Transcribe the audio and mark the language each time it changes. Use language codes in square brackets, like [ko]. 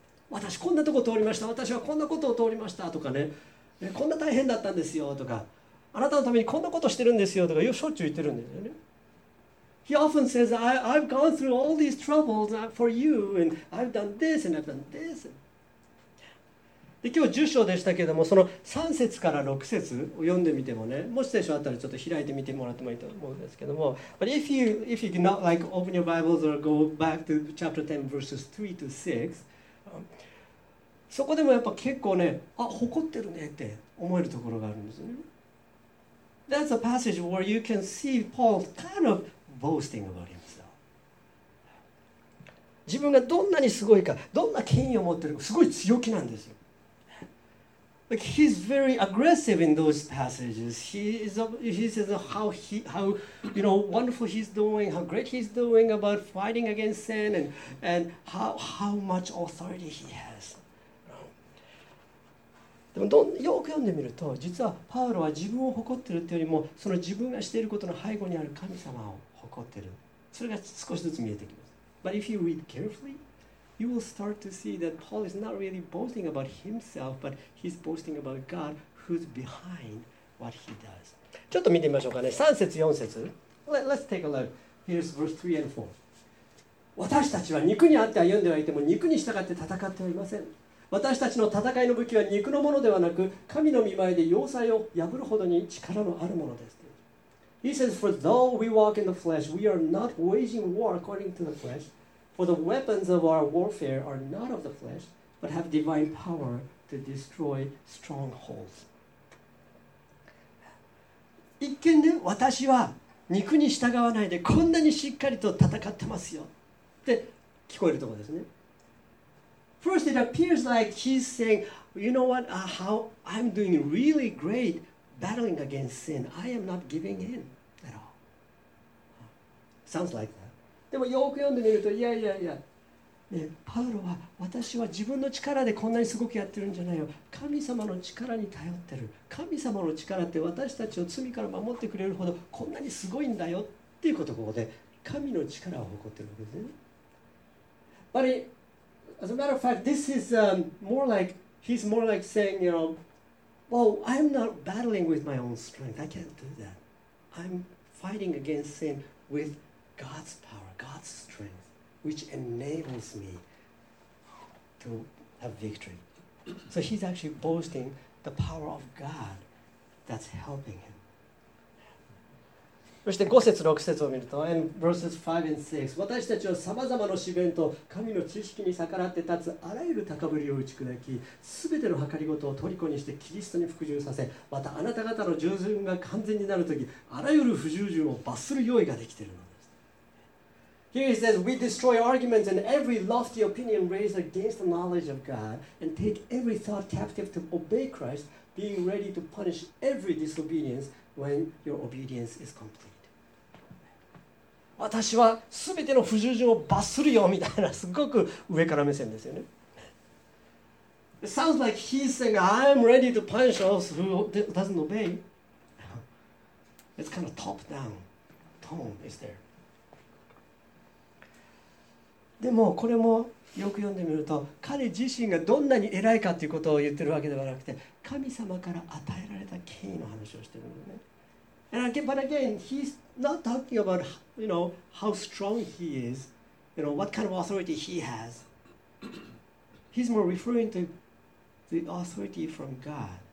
[ja] 私こんなとこ通りました。私はこんなことを通りましたとかね。こんな大変だったんですよとか、あなたのためにこんなことしてるんですよとか、しょっちゅう言ってるんですよね。 [en] He often says, I've gone through all these troubles for you, and I've done this, and I've done this. [ja] で今日10章でしたけども、その3節から6節を読んでみてもね、もし聖書あったらちょっと開いてみてもらってもいいと思うんですけども、 [en] But if you do not like open your Bibles or go back to chapter 10, verses 3 to 6, [ja] そこでもやっぱ結構ね、あ、誇ってるねって思えるところがあるんですね。 [en] That's a passage where you can see Paul kind of boasting about himself. [ja] 自分がどんなにすごいか、どんな権威を持ってるか、すごい強気なんですよ。 [en] Like he's very aggressive in those passages. He says how you know wonderful he's doing, how great he's doing about fighting against sin, and how much authority he has. [ja] でもよく読んでみると、実はパウロは自分を誇っているというよりも、その自分がしていることの背後にある神様を誇っている。それが少しずつ見えてきます。 [en] But if you read carefully, you will start to see that Paul is not really boasting about himself, but he's boasting about God who's behind what he does. [ja] ちょっと見てみましょうかね。 3節、4節。 [en] Let's take a look. Here's verse 3 and 4. [ja] 私たちは肉にあって歩んではいても、肉に従って戦っておりません。私たちの戦いの武器は肉のものではなく、神の御前で要塞を破るほどに力のあるものです。 [en] He says, For though we walk in the flesh, we are not waging war according to the flesh. For the weapons of our warfare are not of the flesh, but have divine power to destroy strongholds. [ja] 一見ね、私は肉に従わないでこんなにしっかりと戦ってますよって聞こえるところですね。 [en] First, it appears like he's saying, you know what, how I'm doing really great battling against sin. I am not giving in at all. Sounds like that. [ja] でもよく読んでみると、いやいやいや、ね、パウロは私は自分の力でこんなにすごくやってるんじゃないよ。神様の力に頼ってる。神様の力って私たちを罪から守ってくれるほどこんなにすごいんだよっていうことここで、神の力を誇ってるわけですね。 [en] But As a matter of fact, this is more like, he's more like saying, you know, well, I'm not battling with my own strength. I can't do that. I'm fighting against sin with God's power, God's strength, which enables me to have victory. So he's actually boasting the power of God that's helping him. [ja] そして5節6節を見ると [en] and verses 5 and 6 [ja] 私たちはさまざまな試練と神の知識に逆らって立つあらゆる高ぶりを打ち砕きすべての計りごとを虜にしてキリストに服従させまたあなた方の従順が完全になるときあらゆる不従順を罰する用意ができているのです。 [en] Here he says we destroy arguments and every lofty opinion raised against the knowledge of God and take every thought captive to obey Christ being ready to punish every disobedience when your obedience is complete. [ja] 私は全ての不従順を罰するよみたいなすごく上から目線ですよね。 [en] It sounds like he's saying I'm ready to punish those who doesn't obey. It's kind of top down tone is there. [ja] でもこれもよく読んでみると彼自身がどんなに偉いかということを言ってるわけではなくて神様から与えられた権威の話をしてるのね。 [en] But again, he's not talking about, you know, how strong he is, you know, what kind of authority he has. He's more referring to the authority from God.